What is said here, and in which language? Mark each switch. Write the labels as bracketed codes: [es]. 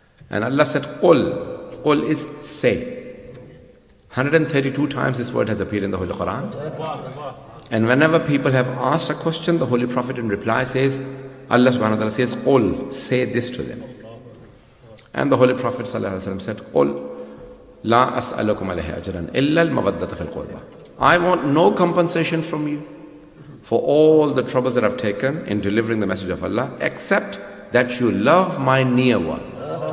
[en] And Allah said, Qul. Qul is say. 132 times this word has appeared in the Holy Quran. And whenever people have asked a question, the Holy Prophet in reply says, Allah subhanahu wa ta'ala says, Qul, say this to them. And the Holy Prophet sallallahu alayhi wa sallam said, Qul. [ar] لا اسألكم عليه اجرا الا المودة في القربى. [en] I want no compensation from you for all the troubles that I've taken in delivering the message of Allah, except that you love my near ones.